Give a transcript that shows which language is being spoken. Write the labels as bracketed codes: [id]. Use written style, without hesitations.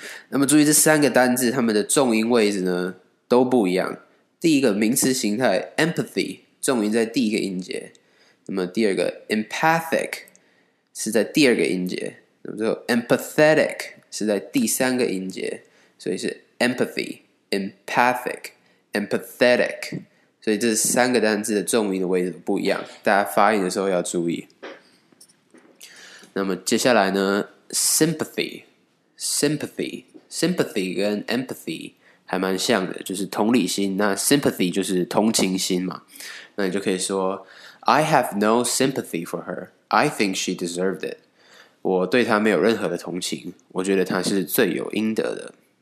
[zh] 那么注意这三个单字 它们的重音位置呢 都不一样 第一个名词形态 empathy 重音在第一个音节 那么第二个 empathic 是在第二个音节 那么最后 empathetic 是在第三个音节 所以是 Empathy, empathic, empathetic. 所以这三个单字的重音的位置不一样, 大家发音的时候要注意。那么接下来呢, sympathy, sympathy, sympathy跟empathy 还蛮像的, 就是同理心, 那sympathy就是同情心嘛, 那你就可以说, [en] I have no sympathy for her, I think she deserved it. [zh] 我对她没有任何的同情, 我觉得她是罪有应得的。